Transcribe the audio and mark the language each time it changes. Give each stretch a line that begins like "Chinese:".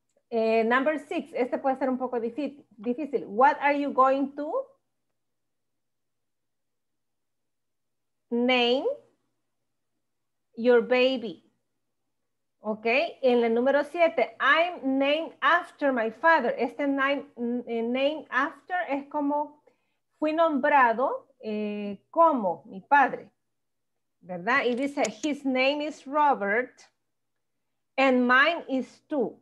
English: Number six,
Spanish: este puede ser un poco difícil.
English: What are you going to name your baby? Ok,
Spanish: en el número siete,
English: I'm named after my father.
Spanish: Este name after es como fui nombrado como mi padre, ¿verdad? Y dice,
English: his name is Robert. And mine is too.